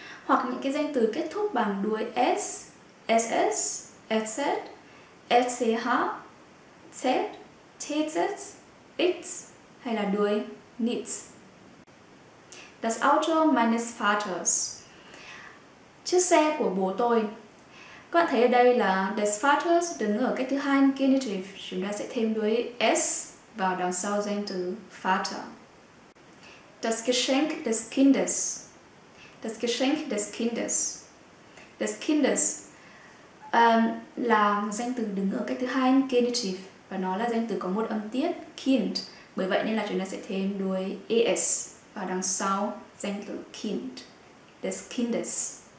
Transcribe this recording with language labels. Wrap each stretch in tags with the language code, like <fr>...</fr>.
<vi>hoặc những cái danh từ kết thúc bằng đuôi S, SS, SZ, SCH, Z, TZ, X hay là đuôi NITS.</vi> <de>Das Auto meines Vaters.</de> <vi>Chiếc xe của bố tôi. Các bạn thấy ở đây là des Vaters đứng ở cách thứ hai genitive, chúng ta sẽ thêm đuôi S vào đằng sau danh từ Vater.</vi> <de>Das Geschenk des Kindes. Das Geschenk des Kindes.</de> <vi>Des Kindes là danh từ đứng ở cách thứ hai genitive và nó là danh từ có một âm tiết Kind. Bởi vậy nên là chúng ta sẽ thêm đuôi ES vào đằng sau danh từ Kind. Des Kindes.</vi>